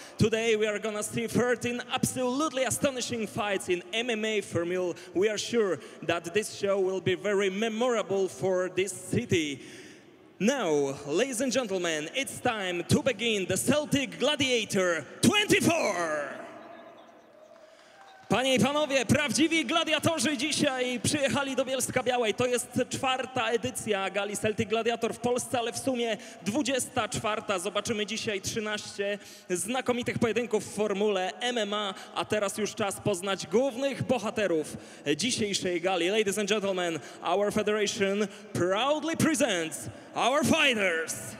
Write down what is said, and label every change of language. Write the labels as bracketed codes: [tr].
[en] Today we are gonna see 13 absolutely astonishing fights in MMA Formule. We are sure that this show will be very memorable for this city. Now, ladies and gentlemen, it's time to begin the Celtic Gladiator 24! [pl] Panie i panowie, prawdziwi gladiatorzy dzisiaj przyjechali do Bielska-Białej. To jest czwarta edycja gali Celtic Gladiator w Polsce, ale w sumie 24. Zobaczymy dzisiaj 13 znakomitych pojedynków w formule MMA, a teraz już czas poznać głównych bohaterów dzisiejszej gali. [en] Ladies and gentlemen, our federation proudly presents our fighters.